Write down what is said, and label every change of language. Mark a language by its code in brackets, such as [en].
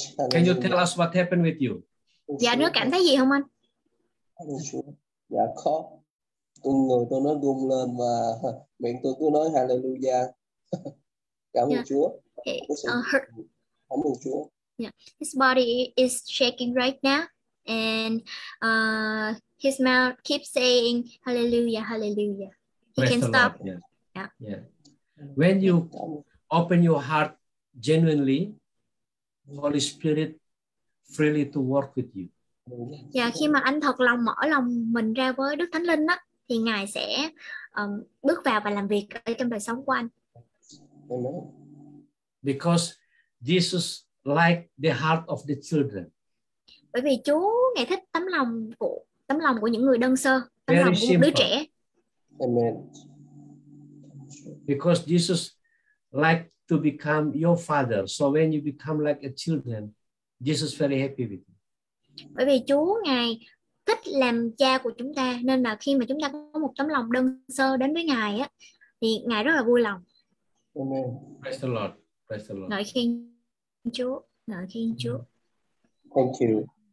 [en] Can you tell us what happened with you? [vi] Dạ, nó cảm thấy gì không anh? Dạ, khó. Cùng người tôi nó rung lên và miệng tôi cứ nói hallelujah. Cảm ơn Chúa. Cảm ơn Chúa. [en] His body is shaking right now and his mouth keeps saying hallelujah, hallelujah. He can stop. When you open your heart genuinely, Holy Spirit freely to work with you. [vi] Yeah, khi mà anh thật lòng mở lòng mình ra với Đức Thánh Linh á, thì Ngài sẽ bước vào và làm việc ở trong đời sống của anh. [en] Because Jesus liked the heart of the children. [vi] Bởi vì Chúa Ngài thích tấm lòng của những người đơn sơ, tấm lòng của một đứa trẻ. [en] Amen. Because Jesus liked to become your father, so when you become like a children, Jesus very happy with you. [vi] Bởi vì Chúa Ngài thích làm cha của chúng ta, nên là khi mà chúng ta có một tấm lòng đơn sơ đến với Ngài á, thì Ngài rất là vui lòng. [en] Amen. Praise the Lord. Praise the Lord. [vi] Ngợi khen Chúa. Ngợi khen Chúa. [en] Thank you.